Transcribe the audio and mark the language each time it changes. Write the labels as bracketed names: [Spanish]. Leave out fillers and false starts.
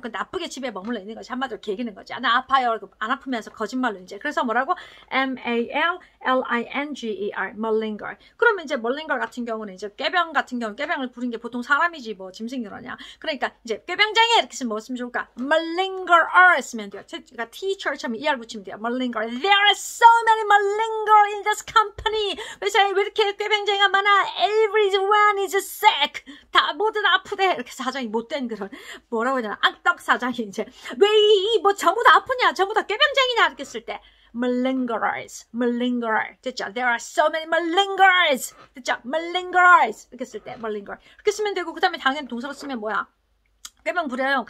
[Korean] 그 나쁘게 집에 머물러 있는 거지. 한마디로 개기는 거지. 아, 나 아파요. 안 아프면서 거짓말로 이제. 그래서 뭐라고? M-A-L-L-I-N-G-E-R. Malinger. 그러면 이제 Malinger 같은 경우는 이제 꾀병 같은 경우 꾀병을 부린 게 보통 사람이지 뭐 짐승이 그러냐. 그러니까 이제 꾀병쟁이 이렇게 쓰면 뭐 쓰면 좋을까? Malinger-er 쓰면 돼요. 그러니까 teacher처럼 ER 붙이면 돼요. Malinger. [English] There are so many Malinger in this company. [Korean] 회사에 왜 이렇게 꾀병쟁이가 많아? [English] Everyone is sick. [Korean] 다 모두 다 아프대. 이렇게 사장이 못된 그런 뭐라고 하냐. 악덕 사장이 이제 왜 이 뭐 전부 다 아프냐 전부 다 꾀병쟁이냐 이렇게 쓸 때 malingerers malingerer 됐죠? [English] There are so many malingerers [Korean] 됐죠? malingerers 이렇게 쓸 때 malinger 이렇게 쓰면 되고 그 다음에 당연히 동사로 쓰면 뭐야 꾀병부려요.